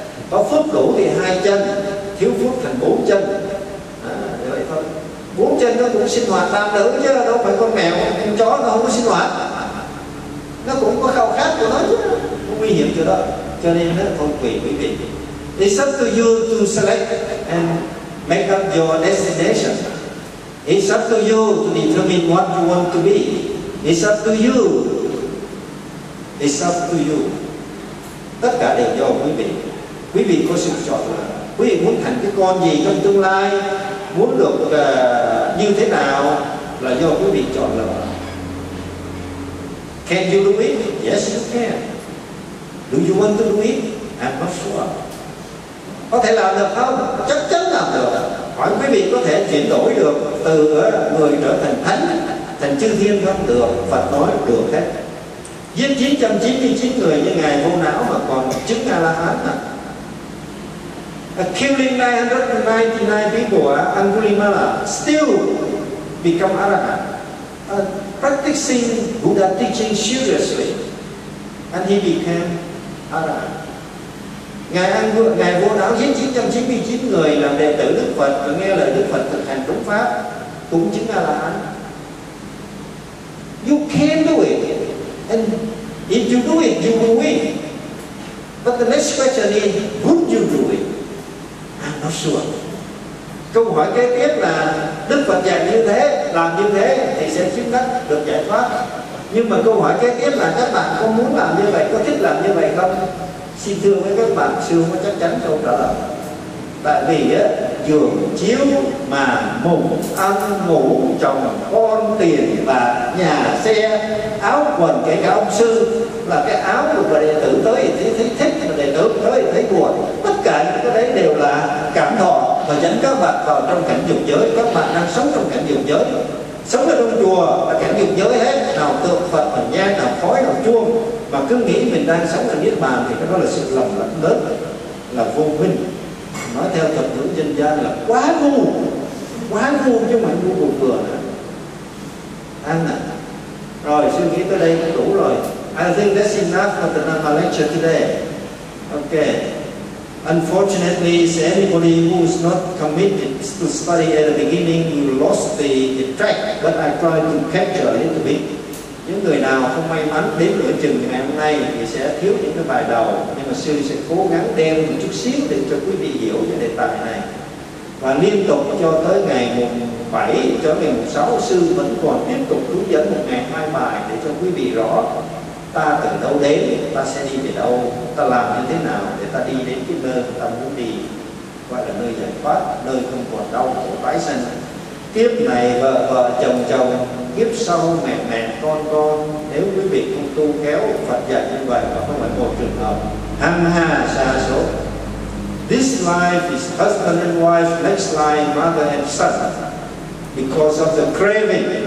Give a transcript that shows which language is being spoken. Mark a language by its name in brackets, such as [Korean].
[Vietnamese] Có phước đủ thì hai chân, thiếu phước thành bốn chân. À, vậy thôi. Bốn chân nó cũng sinh hoạt tam nữ chứ đâu phải con mèo, con chó nó không có sinh hoạt. Nó cũng có khao khát của nó chứ, cũng nguy hiểm chỗ đó. Cho nên nó không quỳ quý vị. [English] It's up to you to select and make up your destination. It's up to you to determine what you want to be. It's up to you. It's up to you. [Vietnamese] Tất cả đều do quý vị. Quý vị có sự chọn lựa. Quý vị muốn thành cái con gì trong tương lai, muốn được như thế nào là do quý vị chọn lựa. [English] Can you do it? Yes, you can. Do you want to do it? I'm not sure. [Vietnamese] Có thể làm được không? Chắc chắn làm được. Hỏi quý vị có thể chuyển đổi được từ người trở thành thánh, thành chư thiên không? Được, Phật nói được hết. Giết 999 người như Ngài vô não mà còn chứng A-la-hán à. [English] Killing 999 people Angulimala still become A-la-hán. Practicing Buddha teaching seriously and he became A-la-hán. [Vietnamese] Ngài vô não giết 999 người làm đệ tử Đức Phật và nghe lời Đức Phật thực hành đúng pháp cũng chứng A-la-hán. [English] You can do it. And if you do it, you will win. But the next question is, would you do it? I'm not sure. [Vietnamese] Câu Câu hỏi kế tiếp là Đức Phật dạy như thế, làm như thế thì sẽ chứng đắc được giải thoát. Nhưng mà câu hỏi kế tiếp là các bạn có muốn làm như vậy, có thích làm như vậy không? Xin thưa với các bạn, sư không có chắc chắn câu trả lời. Tại vì giường chiếu mà mùng ăn ngủ chồng con tiền và nhà xe áo quần, kể cả ông sư là cái áo của bà đệ tử tới thì thấy thích, bà đệ tử tới thì thấy buồn, tất cả những cái đấy đều là cảm thọ và dẫn các bạn vào trong cảnh dục giới. Các bạn đang sống trong cảnh dục giới, sống ở trong chùa là cảnh dục giới hết, nào tượng Phật, nào nhang, nào khói, nào chuông, mà cứ nghĩ mình đang sống ở niết bàn thì đó là sự lầm lẫn lớn, là vô minh. Nói theo tập ngữ dân gian là quá ngu chứ mà ngu buồn vừa ăn à. Rồi, suy nghĩ tới đây cũng đủ rồi. [English] I think that's enough for the my lecture today. Okay. Unfortunately, anybody who is not committed to study at the beginning, you lost the track, but I try to capture a little bit. [Vietnamese] Những người nào không may mắn đến nửa chừng ngày hôm nay thì sẽ thiếu những cái bài đầu, nhưng mà sư sẽ cố gắng đem một chút xíu để cho quý vị hiểu về đề tài này. Và liên tục cho tới ngày 7 cho ngày 6, sư vẫn còn tiếp tục hướng dẫn một ngày hai bài để cho quý vị rõ ta từ đâu đến, ta sẽ đi về đâu, ta làm như thế nào để ta đi đến cái nơi ta muốn đi, gọi là nơi giải thoát, nơi không còn đau khổ tái sinh. Kiếp này vợ chồng chồng, kiếp sau mẹ mẹ con, nếu quý vị không tu khéo Phật dạy như vậy, và không phải một trường hợp hằng hà xa số. [English] This life is husband and wife, next life mother and son, because of the craving.